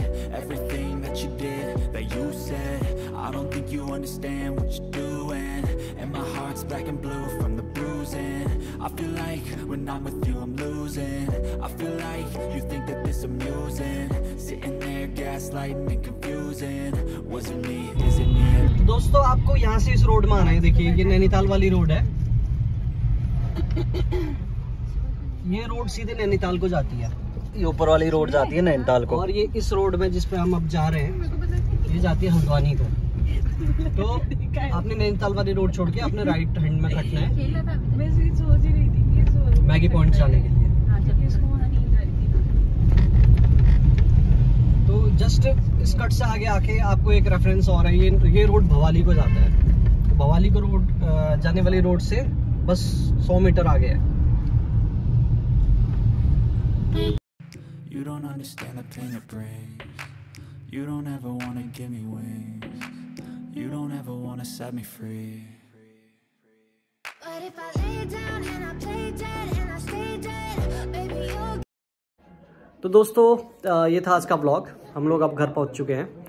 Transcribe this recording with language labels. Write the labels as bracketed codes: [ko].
[en] you did, that you said. I don't think you understand what you're doing. And my heart's black and blue from the bruising. I feel like when I'm with you I'm losing. I feel like you think that this amusing. Sitting there gaslighting and confusing. Was it me? Is it me? [hi] दोस्तों आपको यहाँ से इस road में आना है. देखिए ये नैनीताल वाली रोड है. ये रोड सीधे नैनीताल को जाती है. ये ऊपर वाली रोड जाती है नैनीताल को. और ये इस रोड में जिस पे हम अब जा रहे हैं ये जाती है हल्द्वानी को. तो आपने नैनीताल वाली रोड छोड़ के आपने राइट हैंड में कटना है मैगी पॉइंट जाने के लिए. तो जस्ट इस कट से आगे आके आपको एक रेफरेंस और है. ये रोड भवाली को जाता है. भवाली को रोड जाने वाली रोड से बस 100 मीटर आगे है. [en] You don't understand the pain it brings. You don't ever wanna give me wings. You don't ever wanna set me free. But if I lay down and I play dead and I stay dead, baby you'll. [hi] तो दोस्तों ये था आज का vlog. हम लोग अब घर पहुंच चुके हैं.